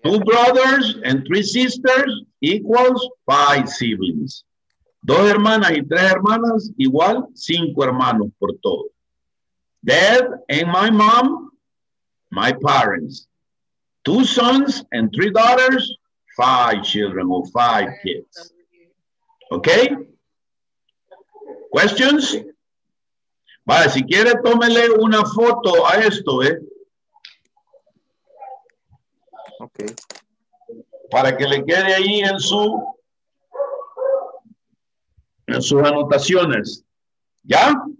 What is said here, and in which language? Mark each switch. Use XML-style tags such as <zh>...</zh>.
<en>Two brothers and three sisters equals five siblings.</en> <es>Dos hermanas y tres hermanas igual cinco hermanos por todo.</es> <en>Dad and my mom, my parents. Two sons and three daughters, five children or five kids. Okay? Questions?</en> <es>Vale, si quiere, tómele una foto a esto, ¿eh? Okay. Para que le quede ahí en sus anotaciones. ¿Ya?</es>